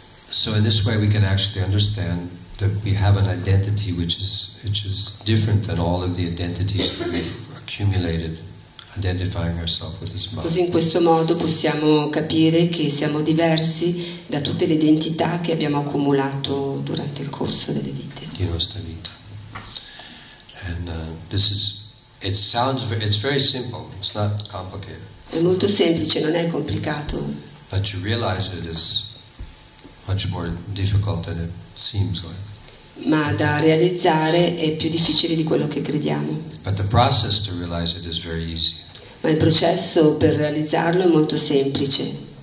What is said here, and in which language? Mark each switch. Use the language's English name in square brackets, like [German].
[English] So in this way we can actually understand that we have an identity which is different than all of the identities that we've accumulated identifying ourselves with this body. [Italian] Così in questo modo possiamo capire che siamo diversi da tutte le identità che abbiamo accumulato durante il corso delle vite. Di nostra vita. [English] And this is, it sounds, it's very simple, it's not complicated. [Italian] È molto semplice, non è complicato. [English] But you realize it is much more difficult than it seems like. [Italian] Ma da realizzare è più difficile di quello che crediamo. [English] But the process to realize it is very easy. [Italian] Ma il processo per realizzarlo è molto semplice.